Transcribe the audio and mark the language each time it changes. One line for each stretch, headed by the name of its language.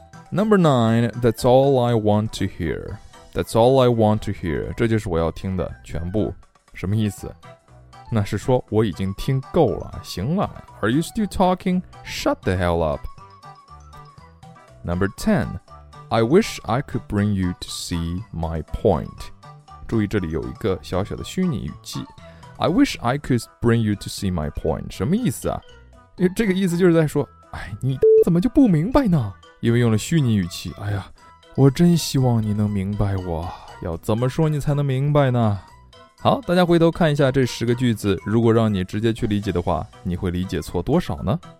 English: Number nine, that's all I want to hear. That's all I want to hear.
Chinese: 这就是我要听的全部。什么意思？那是说我已经听够了，行了。
English: Are you still talking? Shut the hell up. Number 10. I wish I could bring you to see my point.
Chinese: 注意这里有一个小小的虚拟语气。
English: I wish I could bring you to see my point.
Chinese: 什么意思啊？这个意思就是在说，哎，你怎么就不明白呢？因为用了虚拟语气，哎呀，我真希望你能明白我。要怎么说你才能明白呢？好，大家回头看一下这十个句子，如果让你直接去理解的话，你会理解错多少呢？